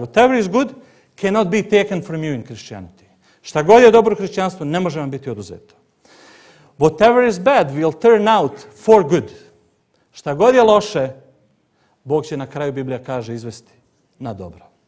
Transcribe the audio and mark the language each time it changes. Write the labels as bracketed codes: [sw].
[en] Whatever is good cannot be taken from you in Christianity. [sr] Šta god je dobro u hrišćanstvu, ne može vam biti oduzeto. [en] Whatever is bad will turn out for good. [sr] Šta god je loše, Bog će na kraju, Biblija kaže, izvesti na dobro.